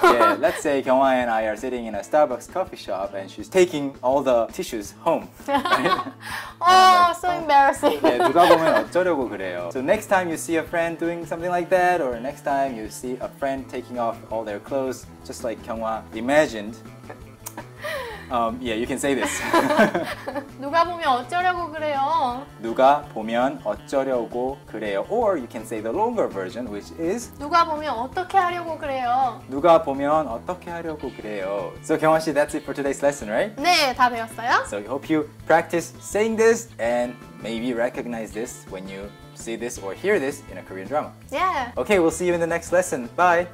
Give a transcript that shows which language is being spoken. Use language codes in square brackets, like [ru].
[en] Yeah, let's say 경화 and I are sitting in a Starbucks coffee shop and she's taking all the tissues home. Oh, like, so embarrassing. Yeah, [ko] 누가 보면 어쩌려고 그래요. [en] So next time you see a friend doing something like that, or next time you see a friend taking off all their clothes, just like 경화 imagined, yeah, you can say this. [ko] 누가 보면 어쩌려고 그래요. 누가 보면 어쩌려고 그래요. [en] Or you can say the longer version, which is [ko] 누가 보면 어떻게 하려고 그래요. 누가 보면 어떻게 하려고 그래요. [en] So, 경화 씨, that's it for today's lesson, right? [ko] 네, 다 배웠어요. [en] So, hope you practice saying this and maybe recognize this when you see this or hear this in a Korean drama. Yeah. Okay, we'll see you in the next lesson. Bye.